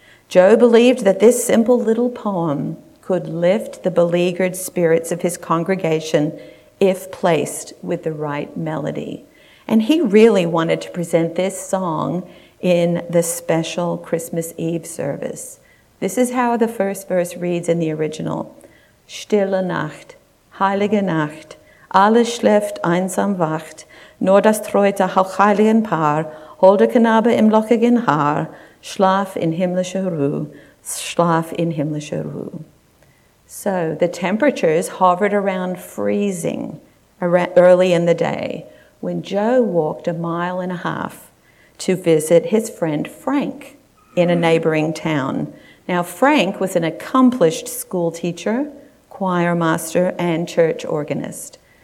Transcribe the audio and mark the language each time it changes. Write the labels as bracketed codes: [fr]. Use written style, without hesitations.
[en] Joe believed that this simple little poem could lift the beleaguered spirits of his congregation if placed with the right melody. And he really wanted to present this song in the special Christmas Eve service. This is how the first verse reads in the original. [de] Stille Nacht, heilige Nacht, alles schläft einsam wacht, nur das treute hauchheiligen Paar, holde Knabe im lockigen Haar, schlaf in himmlische Ruhe, schlaf in himmlische Ruhe. [en] So the temperatures hovered around freezing early in the day when Joe walked a mile and a half to visit his friend Frank in a neighboring town. Now, Frank was an accomplished school teacher, choir master, and church organist.